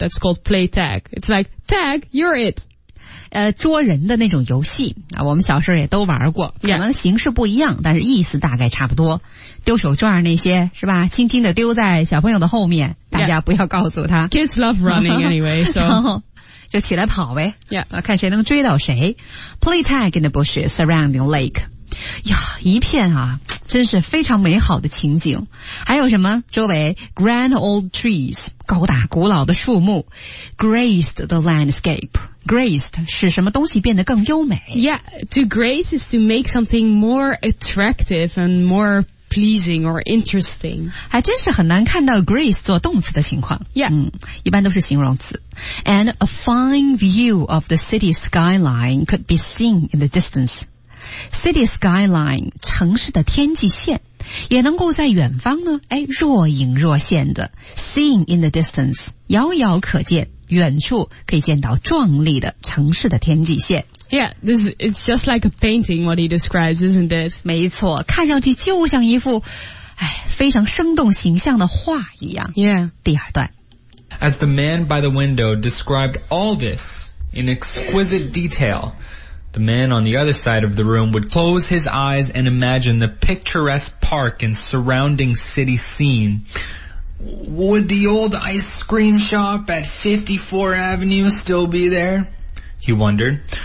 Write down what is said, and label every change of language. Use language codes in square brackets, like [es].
[en] That's called play tag. It's like, tag, you're it. [zh] 捉人的那种游戏啊我们小时候也都玩过可能形式不一样、 [en] yeah. [zh] 但是意思大概差不多。丢手绢那些是吧轻轻的丢在小朋友的后面大家不要告诉他。 [en] Yeah. Kids love running anyway, so. [zh] 就起来跑呗、 [en] yeah. [zh] 看谁能追到谁 [en] Play tag in the bushes surrounding lake [zh] 呀一片啊真是非常美好的情景还有什么周围 [en] grand old trees [zh] 高大古老的树木 [en] graced the landscape graced [zh] 使什么东西变得更优美 [en] Yeah, to grace is to make something more attractive and more pleasing or interesting [zh] 还真是很难看到 grace 做动词的情况 [en] yeah、 [zh] 一般都是形容词 [en] and a fine view of the city skyline [zh] could be [en] seen in the distance [zh] city skyline 城市的天际线也能够在远方呢哎，若隐若现的 seen in the distance 遥遥可见远处可以见到壮丽的城市的天际线 [en] Yeah, this it's just like a painting what he describes, isn't it? [zh] 没错看上去就像一幅哎，非常生动形象的画一样 [en] Yeah [zh] 第二段 [en] As the man by the window described all this in exquisite detail The man on the other side of the room would close his eyes and imagine the picturesque park and surrounding city scene. Would the old ice cream shop at 54th Avenue still be there? He wondered.